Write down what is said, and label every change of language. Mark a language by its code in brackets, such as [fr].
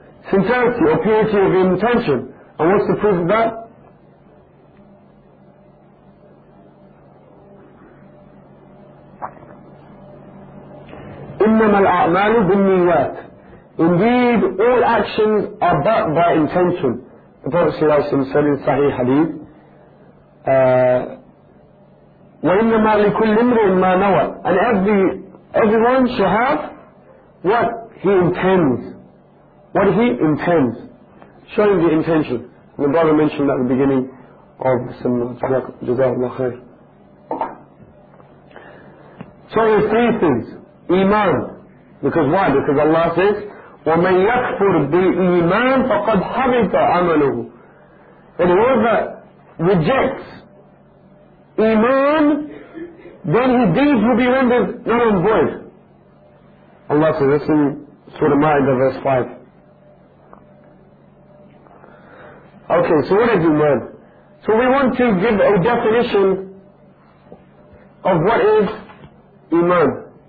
[en] Sincerity or purity of intention. And what's the proof of that? [ar] إنما الأعمال بالنيات. [en] Indeed, all actions are but by intention. The Prophet صلى الله عليه وسلم said in Sahih Hadith, [ar] وإنما لكل امرئ ما نوى. [en] And everyone should have what he intends. What he intends. Showing the intention. The brother mentioned that at the beginning of the Sunnah. [ar] جزاه الله خير. [en] So there are three things. Iman. Because why? Because Allah says, [ar] وَمَنْ يَكْفُرْ بِالْإِيمَانِ فَقَدْ حَبِطَ عَمَلُهُ. [en] And whoever rejects Iman, then his deeds will be rendered null and void. Allah says this in Surah Ma'idah verse 5. Okay, so what is Iman? So we want to give a definition of what is Iman.